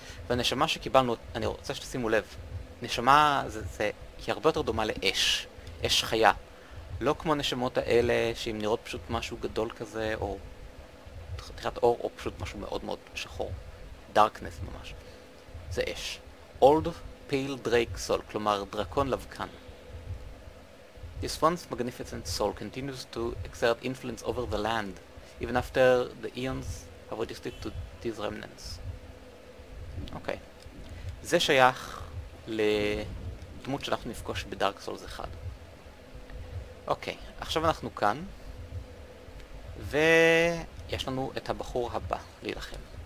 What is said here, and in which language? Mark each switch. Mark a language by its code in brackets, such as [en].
[he] והנשמה שקיבלנו, אני רוצה שתשימו לב, נשמה זה היא הרבה יותר דומה לאש, אש חיה. לא כמו הנשמות האלה שהן נראות פשוט משהו גדול כזה, או חתיכת אור, או פשוט משהו מאוד מאוד שחור. דארקנס ממש. זה אש. Old Pale Drake Soul, כלומר דרקון לבקן. [en] This once magnificent soul continues to exert influence over the land, even after the eons have resisted to these remnants. [he] אוקיי. זה שייך לדמות שאנחנו נפגוש בדארק סולס 1. אוקיי, עכשיו אנחנו כאן, ויש לנו את הבחור הבא להילחם.